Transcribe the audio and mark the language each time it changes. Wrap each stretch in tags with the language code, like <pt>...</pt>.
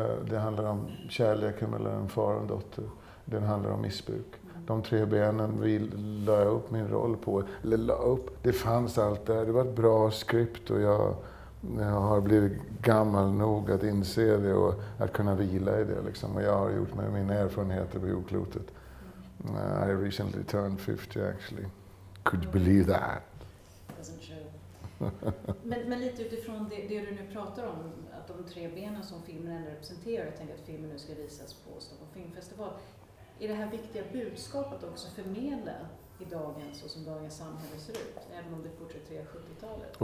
<sv>Det handlar om kärleken mellan en far och en dotter. Den handlar om missbruk. De tre benen la jag upp min roll på. Det fanns allt där. Det var ett bra skript och jag har blivit gammal nog att inse det och att kunna vila i det. Liksom. Och jag har gjort med mina erfarenheter på jordklotet.</sv> <en>I recently turned 50 actually. Could you believe that? Doesn't show.</en> <sv>Men lite utifrån det du nu pratar om, att de tre benen som filmen ändå representerar, jag tänker att filmen nu ska visas på Stockholm Filmfestival. Är det här viktiga budskapet också förmedla i dagens, så som dagens samhälle ser ut, även om det porträtterar 70-talet?</sv>